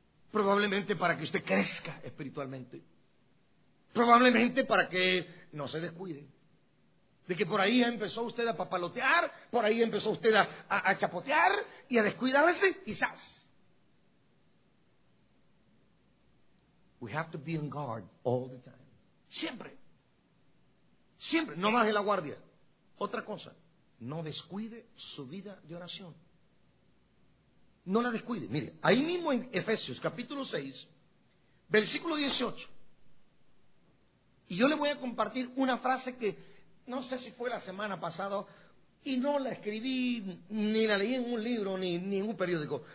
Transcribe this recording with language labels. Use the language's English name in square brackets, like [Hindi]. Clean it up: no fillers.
[Spanish] Probablemente para que usted crezca espiritualmente. Probablemente para que no se descuide. De que por ahí empezó usted a papalotear, por ahí empezó usted a chapotear y a descuidarse, quizás. [English] We have to be on guard all the time. [Spanish] Siempre. Siempre. No baje la guardia. Otra cosa. No descuide su vida de oración. No la descuide. Mire, ahí mismo en Efesios capítulo 6, versículo 18. Y yo le voy a compartir una frase que no sé si fue la semana pasada y no la escribí ni la leí en un libro ni en un periódico.